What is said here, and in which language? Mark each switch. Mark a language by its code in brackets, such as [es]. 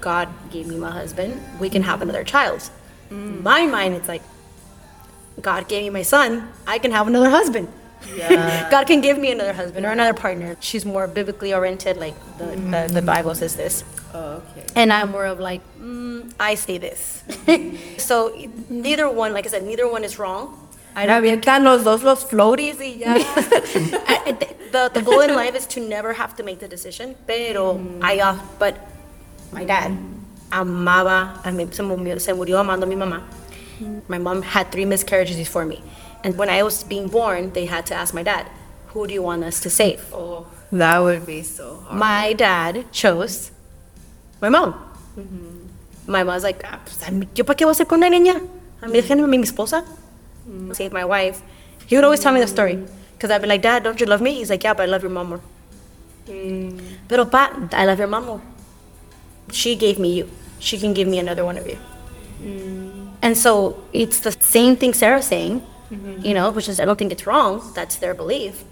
[en] God gave me my husband. We can have another child. In my mind, it's like, God gave me my son. I can have another husband. God can give me another husband or another partner. She's more biblically oriented, like the Bible says this. Oh, okay. And I'm more of like, I say this. So neither one, like I said, neither one is wrong. [es] I avientan los dos los floaties y ya. [en] The goal in life is to never have to make the decision. [es] Pero, [en] but my dad [es] amaba, se murió amando a mi mamá. [en] My mom had 3 miscarriages before me. And when I was being born, they had to ask my dad, who do you want us to save? Oh, that would be so hard. My dad chose my mom. My mom's like, [es] ¿yo para qué voy a ser con una niña? ¿A mi hija, mi esposa? [en] Save my wife. He would always tell me the story. Because I'd be like, Dad, don't you love me? He's like, yeah, but I love your mom more. [es] Pero, pa, [en] I love your mom more. She gave me you. She can give me another one of you. And so it's the same thing Sarah's saying, you know, which is, I don't think it's wrong. That's their belief.